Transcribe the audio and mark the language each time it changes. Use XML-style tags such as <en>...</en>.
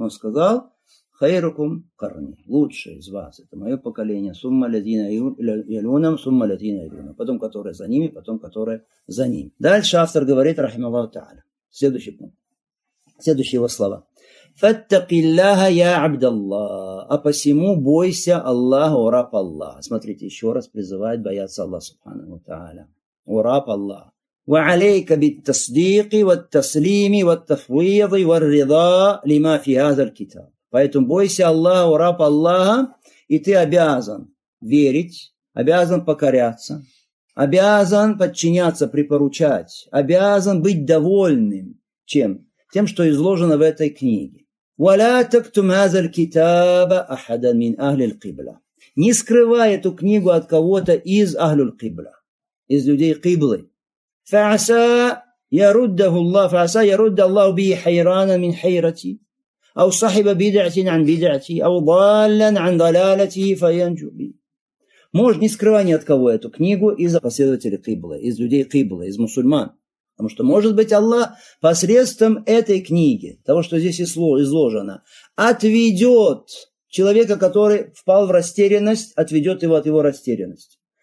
<ru>Он сказал,</ru> <ar>хайрукум карни,</ar> <ru>лучшие из вас, это мое поколение,</ru> <ar>сумма ладина ялунам, сумма ладина ялунам,</ar> <ru>потом которые за ними, потом которые за ними. Дальше автор говорит, рахималлаху та'аля, следующий пункт, следующие его слова.</ru> <ar>Фаттакиллаха я абдаллах,</ar> <ru>а посему бойся Аллаха, ураб Аллаха. Смотрите, еще раз призывает бояться Аллаха, субханаху та'аля, ураб Аллаха.</ru> <ar>وعليك بالتصديق والتسليم والتفويض والرضا لما في هذا الكتاب.</ar> <ru>Поэтому бойся Аллаха, ураб Аллаха, и ты обязан верить, обязан покоряться, обязан подчиняться, припоручать, обязан быть довольным чем? Тем, что изложено в этой книге.</ru> <ar>وَلَا تَكْتُمْ هَذَا الْكِتَابَ أَحَدًا مِنْ أَهْلِ الْقِبْلَ.</ar> <ru>Не скрывай эту книгу от кого-то из</ru> <ar>أهل القبلة,</ar> <ru>из людей Киблы.</ru> <ar>فَعَسَى يَرُدَّهُ اللَّهُ فَعَسَى يَرُدَّ اللَّهُ بِهِ حَيْرَانًا مِنْ حَيْرَتِي أو صاحب بدعة عن بدعتي أو ضالا عن ضلالته فينجو بي.</ar> <ru>Можешь не скрывать ни от кого эту книгу из-за последователей Кыбла, из людей Кыбла, из мусульман. Потому что, может быть, Аллах посредством этой книги, того, что здесь изложено, отведет человека, который впал в растерянность, отведет его от его растерянности.</ru>